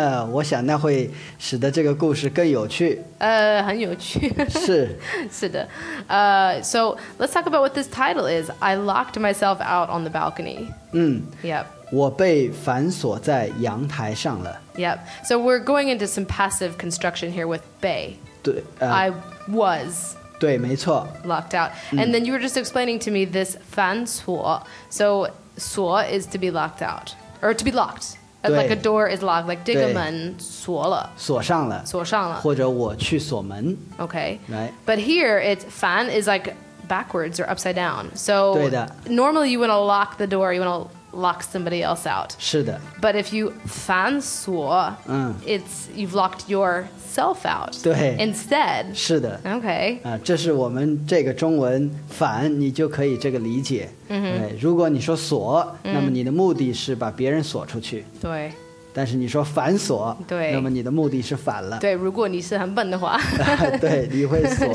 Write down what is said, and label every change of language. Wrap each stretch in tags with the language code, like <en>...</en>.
<zh>我想那会使得这个故事更有趣。很有趣。是。是的。</zh> <en>So let's talk about what this title is. I locked myself out on the balcony. 嗯。 Yep.</en> <zh>我被反锁在阳台上了。</zh> <en>Yep. So we're going into some passive construction here with 被。</en> <zh>对。</zh> <en>I was.</en> <zh>对，没错。</zh> <en>Locked out. And then you were just explaining to me this 反锁. So 锁 is to be locked out. Or to be locked. Like a door is locked. Like</en> <zh>这个门锁了。锁上了。锁上了。或者我去锁门。</zh> <en>Okay. Right. But here, it's 反 is like backwards or upside down. So</en> <zh>对的。</zh> <en>Normally you want to lock the door, you want to... lock somebody else out.</en> <zh>是的。</zh> <en>But if you 反锁, it's you've locked yourself out.</en> <zh>对。</zh> <en>Instead.</en> <zh>是的。</zh> <en>Okay.</en> <zh>这是我们这个中文反，你就可以这个理解。 Mm-hmm. 对，如果你说锁，那么你的目的是把别人锁出去。对。但是你说反锁，对，那么你的目的是反了。对，如果你是很笨的话，对，你会锁。</zh>